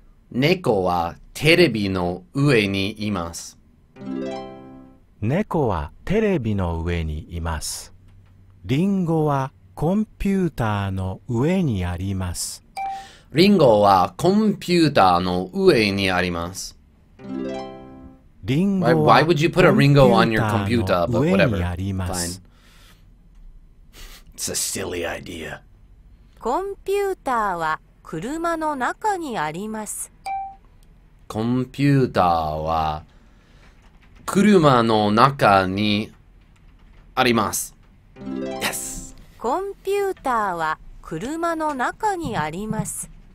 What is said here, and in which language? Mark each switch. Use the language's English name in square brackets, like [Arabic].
[Japanese] 猫はテレビの上にいます。猫はテレビの上にいます。リンゴはコンピューターの上にあります。リンゴはコンピューターの上にあります。リンゴ [English] why would you put a Ringo on your computer? But whatever. Fine. It's a silly idea. [Japanese] コンピューターは車の中にあります。コンピューターは車の中にあります。 [English] Yes! [Japanese] コンピューターは車の中にあります。